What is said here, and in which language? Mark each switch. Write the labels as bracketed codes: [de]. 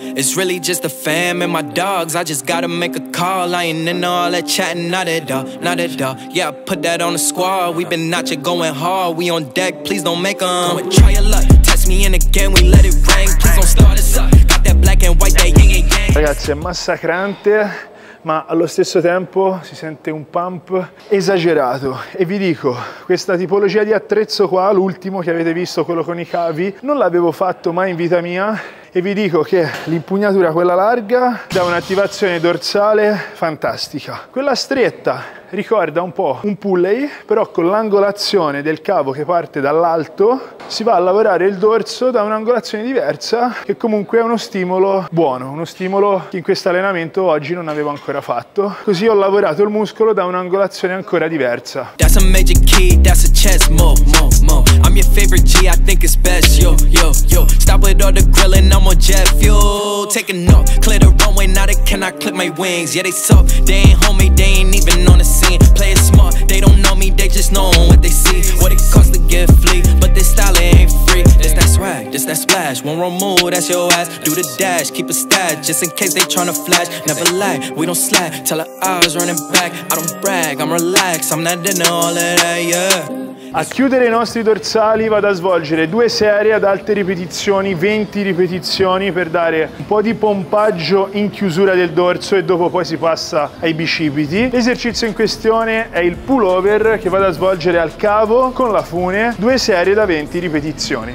[en] It's really just the fam and my dogs. I just gotta make a call. I ain't in all that chatting, not at all, not at all. Yeah, I put that on the squad. We been out here going hard. We on deck, please don't make them. Go and try your luck. Test me in again, we let it rain. Please don't start us up. Got that black and white, that yin and yang. [it] Ragazzi, è massacrante, ma allo stesso tempo si sente un pump esagerato. E vi dico, questa tipologia di attrezzo qua, l'ultimo che avete visto, quello con i cavi, non l'avevo fatto mai in vita mia. E vi dico che l'impugnatura, quella larga, dà un'attivazione dorsale fantastica. Quella stretta ricorda un po' un pulley, però con l'angolazione del cavo che parte dall'alto si va a lavorare il dorso da un'angolazione diversa, che comunque è uno stimolo buono, uno stimolo che in questo allenamento oggi non avevo ancora fatto. Così ho lavorato il muscolo da un'angolazione ancora diversa. [en] That's a magic key, that's a chess, mo, mo, mo. I'm your favorite G, I think it's best, yo, yo, yo. Stop with all the grilling, I'm on jet fuel. Taking off, clear the runway, now they cannot clip my wings. Yeah, they soft, they ain't homie, they ain't even on the scene. Play it smart, they don't know me, they just know what they see. What it cost to get flea, but this style ain't free. This that swag, this that splash, one wrong move, that's your ass. Do the dash, keep a stash, just in case they tryna flash. Never lie, we don't slack, tell her eyes running back. I don't brag, I'm relaxed, I'm not into all of that, yeah. [it] A chiudere i nostri dorsali vado a svolgere due serie ad alte ripetizioni, 20 ripetizioni, per dare un po' di pompaggio in chiusura del dorso e dopo poi si passa ai bicipiti. L'esercizio in questione è il pullover che vado a svolgere al cavo con la fune, due serie da 20 ripetizioni.